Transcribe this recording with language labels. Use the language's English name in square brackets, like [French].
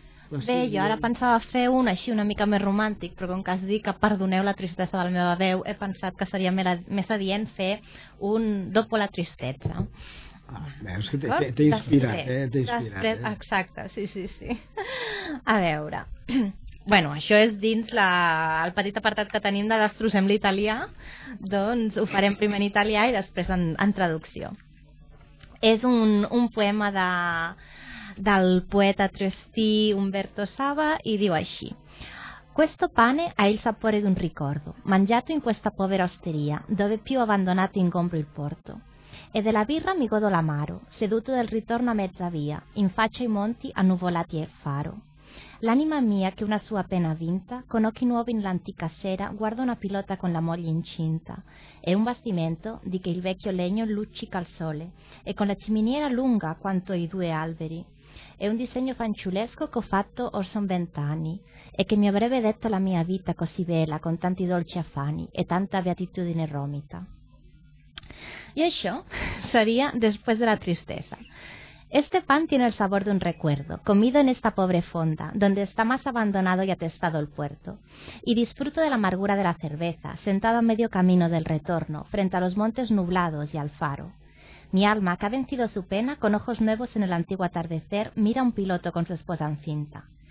[Catalan] Bé, jo ara pensava fer un així una mica més romàntic, però com que has dit que perdoneu la tristesa de la meva veu, he pensat que seria més adient fer un Dopo la tristezza. Veus que t'he inspirat, Després, exacte, sí. A veure... Bueno, això és dins el petit apartat que tenim de Destrossem l'italià, doncs ho farem primer en italià i després en traducció. És un poema del poeta triestí Umberto Saba i diu així: [Italian] questo pane ha il sapore d'un ricordo, mangiato in questa povera osteria, dove più abbandonato ingombro il porto. E della birra mi godo l'amaro, seduto del ritorno a mezza via, in faccia ai monti annuvolati e faro. L'anima mia, che una sua pena vinta, con occhi nuovi in l'antica sera, guarda una pilota con la moglie incinta, e un bastimento di che il vecchio legno luccica al sole, e con la ciminiera lunga quanto i due alberi, e un disegno fanciulesco che ho fatto or son 20 anni, e che mi avrebbe detto la mia vita così bella, con tanti dolci affanni e tanta beatitudine romita. [Catalan] E això seria Después de la tristeza. [Spanish] Este pan tiene el sabor de un recuerdo, comido en esta pobre fonda, donde está más abandonado y atestado el puerto. Y disfruto de la amargura de la cerveza, sentado a medio camino del retorno, frente a los montes nublados y al faro. Mi alma, que ha vencido su pena, con ojos nuevos en el antiguo atardecer, mira a un piloto con su esposa encinta.